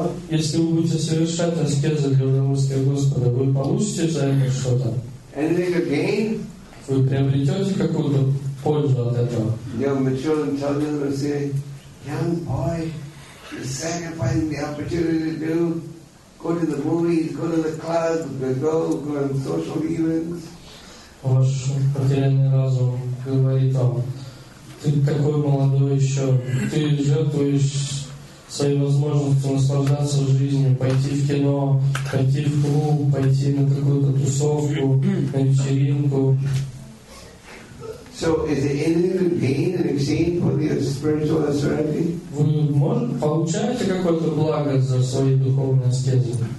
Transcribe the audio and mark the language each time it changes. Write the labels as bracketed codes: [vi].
[ru] Если вы будете совершать аскезы для удовольствия Господа, вы получите за это что-то? [en] Anything to gain? [ru] Вы приобретете какую-то пользу от этого? [en] Young mature intelligence will say, young boy, you sacrifice the opportunity to go to the movies, go to the clubs, go to social events. [ru] Ваш потерянный разум говорит вам. Ты такой молодой еще. Ты жертвуешь своей возможностью наслаждаться жизнью, пойти в кино, пойти в клуб, пойти на какую-то тусовку, на вечеринку. [en] So is there anything to gain in exchange for your spiritual austerity? [ru] Вы получаете какое-то благо за свои духовные аскезы?